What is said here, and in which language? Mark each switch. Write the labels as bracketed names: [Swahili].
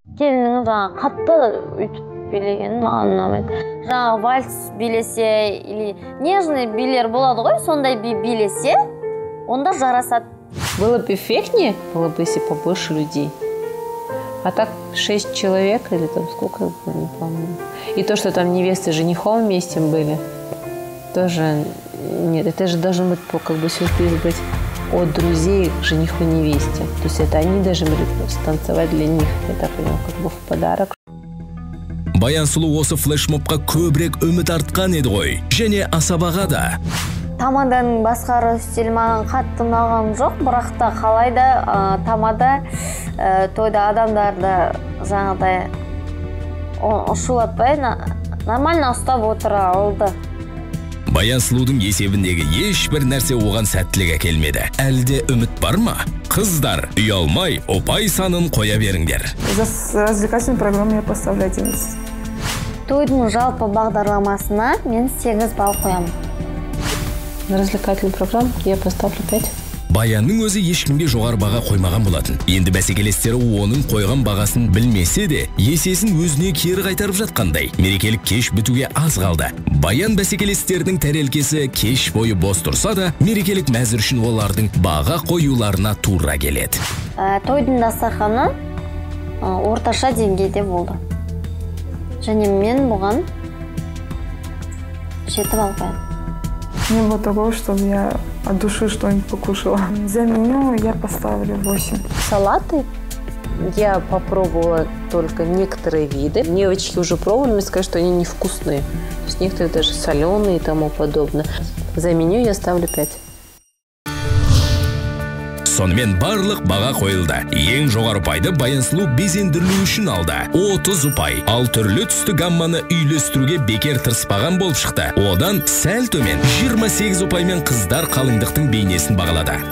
[Kazakh] Келініңіз аға қатты өйтіп билеген маңына мен. Жаңа вальс билесе, нежный билер болады ғой, сондай би билесе, онда жарасады. [Russian] Было бы эффектнее, было бы, если побольше людей. А так 6 человек или там сколько, не помню. И то, что там невесты с женихом вместе были, тоже... Нет, это же должен быть как бы сюрприз быть от друзей к жениху невесте. То есть это они даже будут танцевать для них. Это прям как бы в подарок. [Kazakh] Баян Сұлу осы флешмобқа көбірек үміт артқан еді ғой. Және асабаға да. Тамаданың басқару стилі маған қатты ұнаған жоқ, бірақ та қалайда тамада тойда адамдарды жаңадай ұшылатпай, нормально ұстап отыра алды. Баян Сұлудың есебіндегі ешбір нәрсе оған сәттілік әкелмеді. Әлде үміт бар ма? Қыздар, ұялмай, опай санын қоя беріңдер. [Russian] За развлекательную программу я поставлю 11. [Kazakh] Тойдың жалпы бағдарламасына мен 8 балл қоямын. [Russian] На развлекательную программу я поставлю 5. [Kazakh] Баянның өзі ешкімге жоғары баға қоймаған болатын. Енді бәсекелестері оның қойған бағасын білмесе де, есесін өзіне кері қайтарып жатқандай. Мерекелік кеш бітуге аз қалды. Баян бәсекелестердің тәрелкесі кеш бойы бос тұрса да, мерекелік мәзір үшін олардың баға қоюларына тура келеді. Тойдың дастарханы орташа деңгейде болды. Және мен бұған 7 балл қоямын. [Russian] Не было такого, чтобы я от души что-нибудь покушала. За меню я поставлю 8. Салаты я попробовала только некоторые виды. Мне девочки уже пробовали, мне сказали, что они невкусные. То есть некоторые даже соленые и тому подобное. За меню я ставлю 5. [Kazakh] Сонымен барлық баға қойылды. Ең жоғары ұпайды Баян Сұлу безендірілу үшін алды. 30 ұпай. Ал түрлі түсті гамманы үйлестіруге бекер тырыспаған болып шықты. Одан сәл төмен 28 ұпаймен қыздар қалыңдықтың бейнесін бағалады.